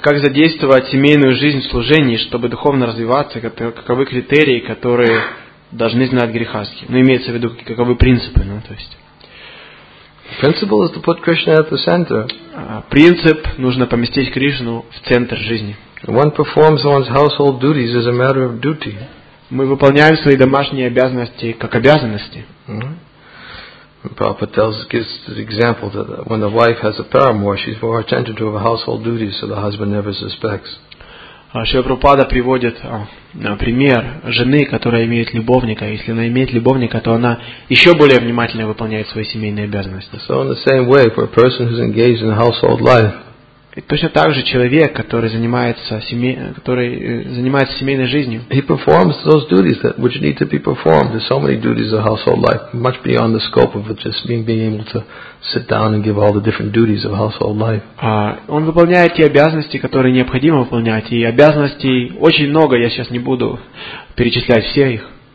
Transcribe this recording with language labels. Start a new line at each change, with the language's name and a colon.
Russian: Как задействовать семейную жизнь в служении, чтобы духовно развиваться? Каковы критерии, которые должны знать грехаски? Ну, имеется в виду, каковы принципы, ну, то есть.
English: Principle is to put Krishna at the center.
Russian: Принцип нужно поместить Кришну в центр жизни.
English: One performs one's household duties as a matter of duty.
Russian: Мы выполняем свои домашние обязанности как обязанности.
English: Prabhupada gives the example that when the wife has a paramour, she's more attentive to her household duties, so the husband never suspects.
Russian: Шрила Прабхупада приводит пример жены, которая имеет любовника. Если она имеет любовника, то она еще более внимательно выполняет свои семейные обязанности.
English: So in the same way, for a person who's engaged in household life.
Russian: И точно так же человек, который занимается, занимается семейной жизнью.
English: He performs those duties that which need to be performed. There's so many duties of household life, much beyond the scope of just being able to sit down and give all the different duties of household life.
Russian: Он выполняет те обязанности, которые необходимо выполнять, и обязанностей очень много. Я сейчас не буду перечислять все их.